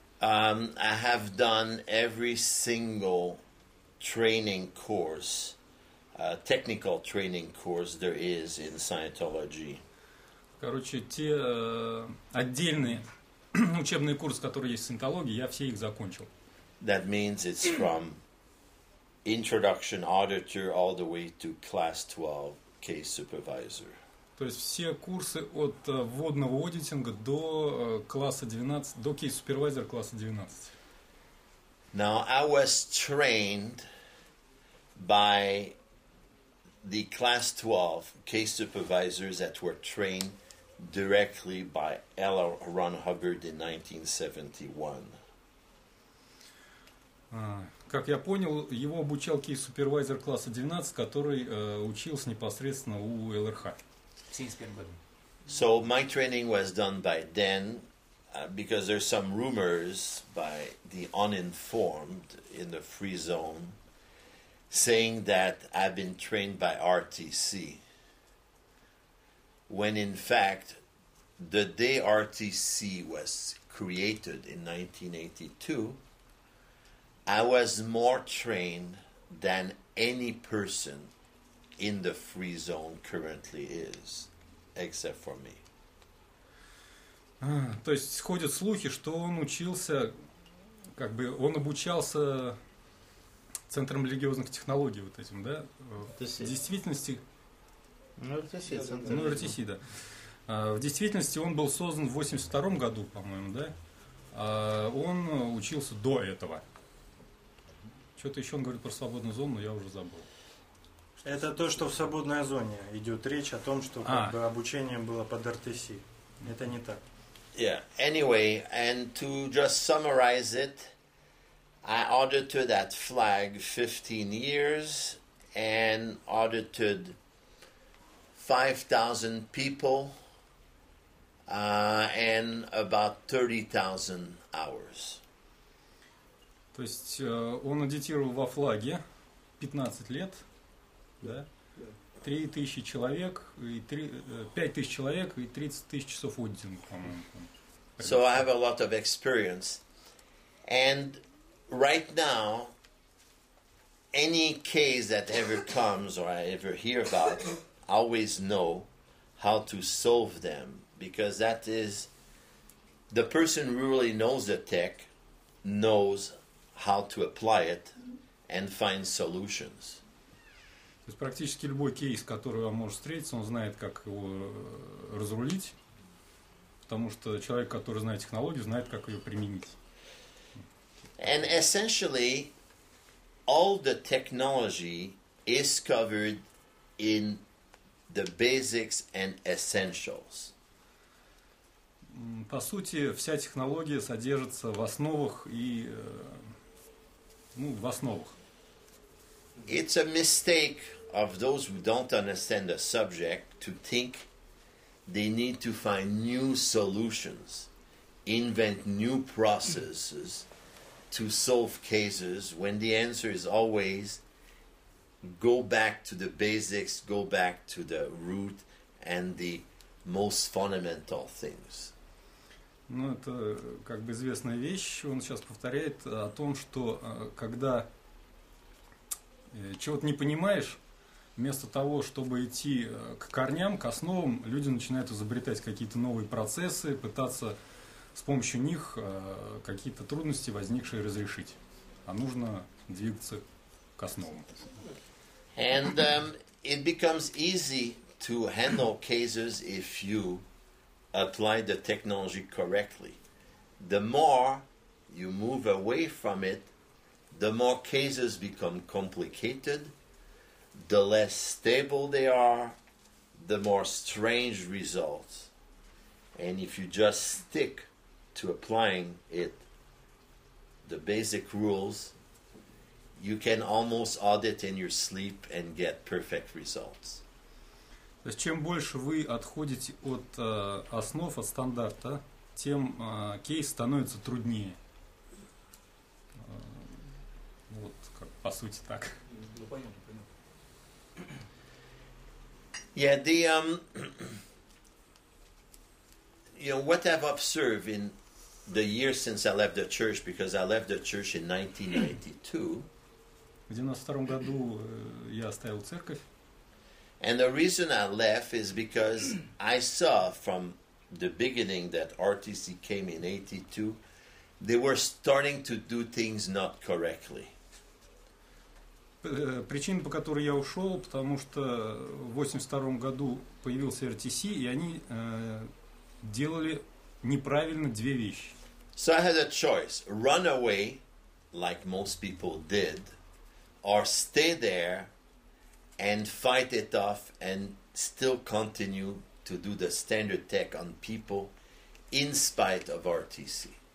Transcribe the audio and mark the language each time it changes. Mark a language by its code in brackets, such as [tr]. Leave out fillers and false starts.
[en] I have done every single training course. Technical training course there is in Scientology. [ru] Короче, те отдельные учебные курсы, которые есть в саентологии, я все их закончил. [en] That means it's from introduction auditor all the way to class 12 case supervisor. [ru] То есть все курсы от вводного аудитинга до класса 12, до case supervisor класса 12. [en] Now I was trained by the class 12 case supervisors that were trained directly by L. Ron Hubbard in 1971. [ru] Как я понял, его обучал кейс-супервайзер класса 12, который учился непосредственно у ЛРХ. [en] So my training was done by then, because there's some rumors by the uninformed in the free zone, saying that I've been trained by RTC, when in fact, the day RTC was created in 1982, I was more trained than any person in the free zone currently is, except for me. [ru] То есть ходят слухи, что он учился, как бы он обучался Центром религиозных технологий вот этим, да? RTC. В действительности... Ну, RTC, Центр. Ну, RTC, да. В действительности он был создан в 82-м году, по-моему, да? Он учился до этого. Что-то еще он говорит про свободную зону, но я уже забыл. Это то, что в свободной зоне идет речь о том, что как бы обучение было под RTC. Это не так. [en] Yeah, anyway, and to just summarize it, I audited at FLAG 15 years and audited 5,000 people and about 30,000 hours. [ru] То есть он аудитировал во ФЛАГе 15 лет, да? 3,000 человек и 5,000 человек и 30,000 часов аудитинга, по-моему. [en] So I have a lot of experience. And right now, any case that ever comes or I ever hear about, I always know how to solve them, because that is the person who really knows the tech knows how to apply it and find solutions. [ru] То есть практически любой кейс, который вам может встретиться, он знает, как его разрулить. Потому что человек, который знает технологию, знает, как ее применить. [en] And essentially, all the technology is covered in the basics and essentials. [ru] По сути, вся технология содержится в основах и, ну, в основах. [en] It's a mistake of those who don't understand the subject to think they need to find new solutions, invent new processes to solve cases, when the answer is always go back to the basics, go back to the root and the most fundamental things. [ru] Ну, это как бы известная вещь, он сейчас повторяет о том, что когда чего-то не понимаешь, вместо того, чтобы идти к корням, к основам, люди начинают изобретать какие-то новые процессы, пытаться с помощью них какие-то трудности, возникшие, разрешить. А нужно двигаться к основам. [en] And it becomes easy to handle cases if you apply the technology correctly. The more you move away from it, the more cases become complicated, the less stable they are, the more strange results. And if you just stick to applying it, the basic rules, you can almost audit in your sleep and get perfect results. [ru] То есть, чем больше вы отходите от основ, от стандарта, тем кейс становится труднее. Вот, как, по сути, так. [en] Yeah, the you know what I've observed in the years since I left the church, because I left the church in 1992. [ru] В 92 году я оставил церковь. [en] And the reason I left is because I saw from the beginning that RTC came in 82, they were starting to do things not correctly. [ru] Причина, по которой я ушел, потому что в 82 году появился RTC, и они делали неправильно две вещи. [en] So I had a choice: run away, like most people did, or stay there and fight it off and still continue to do the standard tech on people in spite of RTC.